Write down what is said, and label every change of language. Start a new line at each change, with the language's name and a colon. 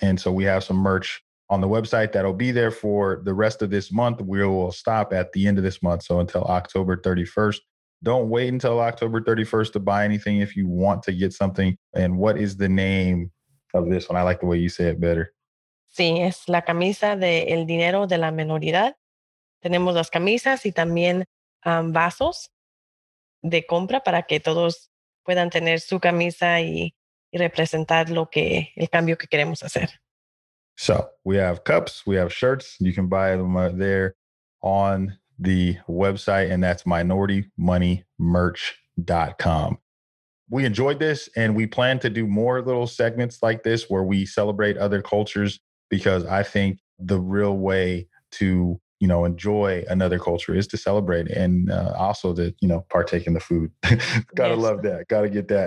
English: And so we have some merch on the website that'll be there for the rest of this month. We will stop at the end of this month, so until October 31st. Don't wait until October 31st to buy anything if you want to get something. And what is the name of this one? I like the way you say it better.
Spanish: Sí, es la camisa de El Dinero de la Menoridad. Tenemos las camisas y también vasos de compra para que todos puedan tener su camisa y representar lo que el cambio que queremos hacer.
English: So we have cups, we have shirts. You can buy them there on the website, and that's minoritymoneymerch.com. We enjoyed this, and we plan to do more little segments like this where we celebrate other cultures, because I think the real way to, you know, enjoy another culture is to celebrate and also to, you know, partake in the food. Gotta yes. Love that. Gotta get that.